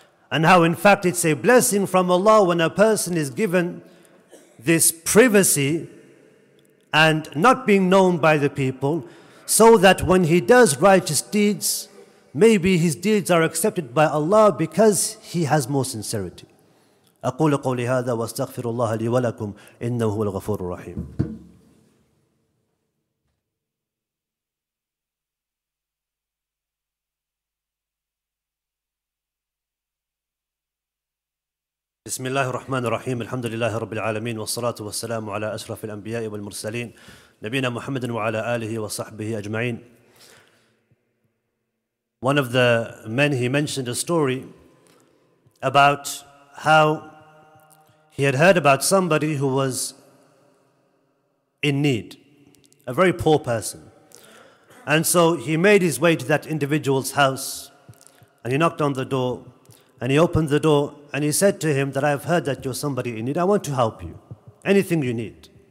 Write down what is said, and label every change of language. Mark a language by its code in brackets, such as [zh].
[en] And how, in fact, it's a blessing from Allah when a person is given this privacy and not being known by the people, so that when he does righteous deeds, maybe his deeds are accepted by Allah because he has more sincerity. [ar] أقول قولي هذا واستغفر الله لي ولكم إنه هو الغفور الرحيم. بسم الله الرحمن الرحيم الحمد لله رب العالمين والصلاة والسلام على أشرف الأنبياء والمرسلين نبينا محمد وعلى آله وصحبه أجمعين. [en] One of the men, he mentioned a story about how he had heard about somebody who was in need, a very poor person. And so he made his way to that individual's house and he knocked on the door and he opened the door and he said to him that, "I have heard that you're somebody in need. I want to help you, anything you need."